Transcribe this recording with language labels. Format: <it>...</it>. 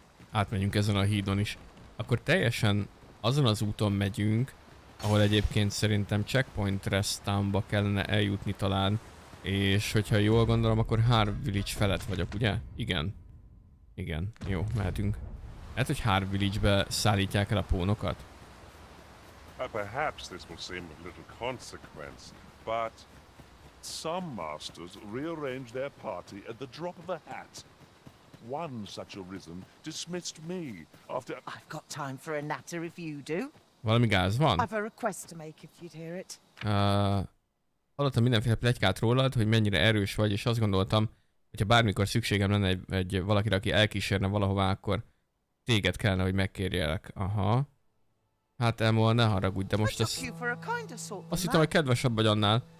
<hu>Átmegyünk ezen a hídon is. Akkor teljesen azon az úton megyünk, ahol egyébként szerintem Checkpoint Rest Town-ba kellene eljutni talán. És hogyha jól gondolom, akkor Harv Village felett vagyok, ugye? Igen. Igen. Jó, mehetünk. Lehet, hogy Harv Village-be szállítják el a pónokat?</hu> <en>Perhaps this will seem a little consequence, but some masters rearrange their party at the drop of a hat. One such arisen dismissed me after... I've got time for a natter if you do.</en> <hu>Valami gáz van.</hu> <en>I've a request to make if you'd hear it.</en> <hu>Hallottam mindenféle pletykát rólad, hogy mennyire erős vagy, és azt gondoltam, hogyha bármikor szükségem lenne egy valakire, aki elkísérne valahová, akkor téged kellene, hogy megkérjelek. Aha. Hát Elmo, ne haragudj, de most ezt... Azt hittem, hogy kedvesebb vagy annál.</hu>